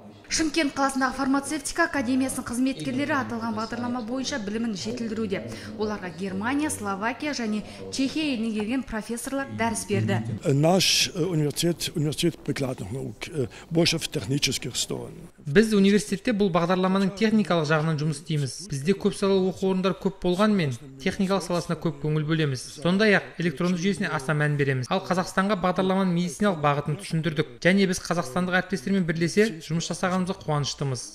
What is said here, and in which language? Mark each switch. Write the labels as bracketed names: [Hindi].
[Kazakh] Шымкент қаласындағы фармацевтика академиясының қызметкерлері аталған бағдарлама бойынша білімін жетілдіруде. Оларға Германия, Словакия және Чехия елінен келген профессорлар дәріс берді. [Russian] Наш университет прикладных наук больше в технических сторонах. [Kazakh] Біз университетте бұл бағдарламаның техникалық жағынан жұмыс істейміз. Бізде көп салалы оқу орындар көп болғанмен, техникалық саласына көп көңіл бөлеміз. Сондай-ақ, электронды жүйесіне аса мән береміз. Ал Қазақстанға бағдарламаның медициналық бағытын түсіндірдік. Және біз қазақстандық әріптестермен бірлесе жұмыс жасағанымызға қуаныштымыз.